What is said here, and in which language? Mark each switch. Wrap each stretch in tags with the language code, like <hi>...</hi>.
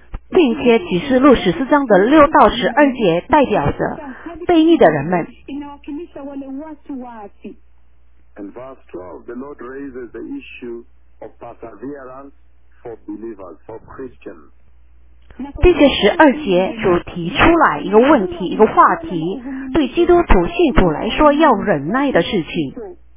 <zh>并且启示录十四章的六到十二节代表着悖逆的人们。</zh> <en>And verse 12, the Lord raises the issue of perseverance for believers, for Christians.</en> <zh>并且十二节主提出来一个问题，一个话题，对基督徒信徒来说要忍耐的事情。</zh>